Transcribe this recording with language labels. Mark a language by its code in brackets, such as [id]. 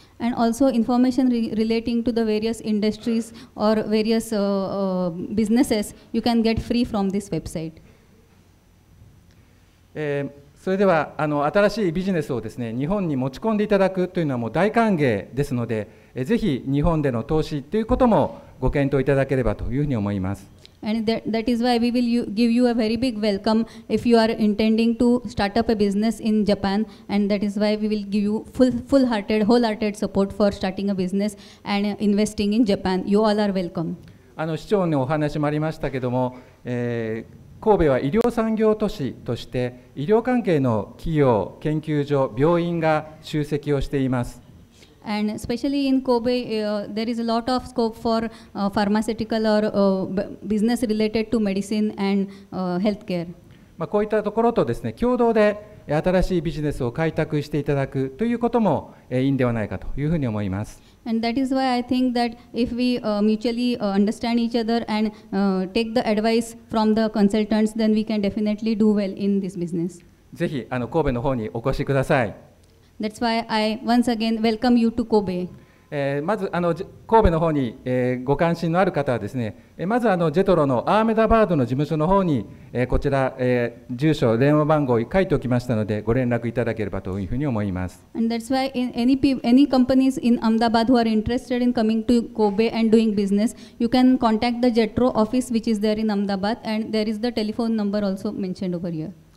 [en] And also information relating to the various industries or various businesses, you can get free from this website. [ja] それでは新しいビジネスをですね、日本に持ち込んでいただくというのはもう大歓迎ですので、ぜひ日本での投資ということもご検討いただければというふうに思います。 [en] And that is why we will give you a very big welcome if you are intending to start up a business in Japan. And that is why we will give you full-hearted, wholehearted support for starting a business and investing in Japan. You all are welcome. [ja] 市長のお話もありましたけども、神戸は医療産業都市として、医療関係の企業、研究所、病院が集積をしています。 [en] And especially in Kobe, there is a lot of scope for pharmaceutical or business related to medicine and healthcare. [ja] こういったところとですね、共同で新しいビジネスを開拓していただくということもいいんではないかというふうに思います。 [en] And that is why I think that if we mutually understand each other and take the advice from the consultants, then we can definitely do well in this business. [ja] ぜひ神戸の方にお越しください。 [en] That's why I once again welcome you to Kobe. [ja] まず神戸の方に、ご関心のある方はですね、まずJETRO のアーメダバードの事務所の方に、こちら、住所、電話番号を書いておきましたので、ご連絡いただければというふうに思います。 [en] And that's why any companies in Ahmedabad who are interested in coming to Kobe and doing business, you can contact the JETRO office which is there in Ahmedabad and there is the telephone number also mentioned over here.